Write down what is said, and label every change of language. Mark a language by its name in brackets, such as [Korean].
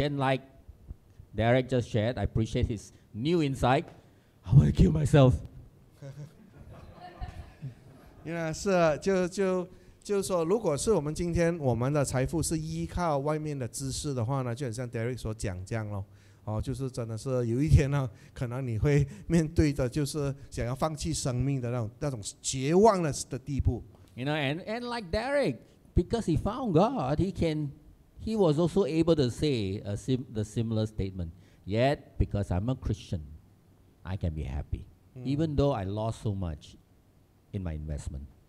[English] And like Derek just shared, I appreciate his new insight. I want to kill myself. [Chinese] 是，就说，如果是我们今天我们的财富是依靠外面的知识的话呢，就很像 Derek 所讲这样咯，就是真的是有一天呢，可能你会面对的就是想要放弃生命的那种绝望的地步。 [English] You know, and like Derek, because he found God, he was also able to say the similar statement. Yet, because I'm a Christian, I can be happy, even though I lost so much in my investment.